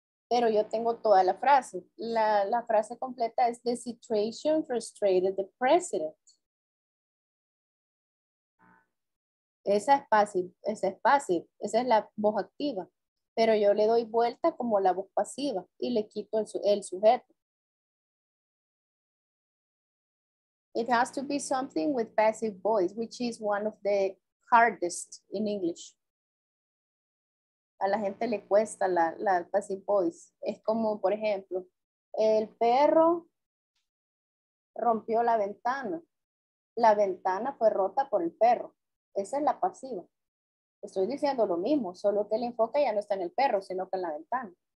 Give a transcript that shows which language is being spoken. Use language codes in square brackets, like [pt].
[es] Pero yo tengo toda la frase. La frase completa es [en] the situation frustrated the president. [es] Esa es fácil. Esa es la voz activa. Pero yo le doy vuelta como la voz pasiva y le quito el sujeto. [en] It has to be something with passive voice, which is one of the hardest in English. [es] A la gente le cuesta la [en] passive voice. [es] Es como, por ejemplo, el perro rompió la ventana. La ventana fue rota por el perro. Esa es la pasiva. Estoy diciendo lo mismo, solo que el enfoque ya no está en el perro, sino que en la ventana.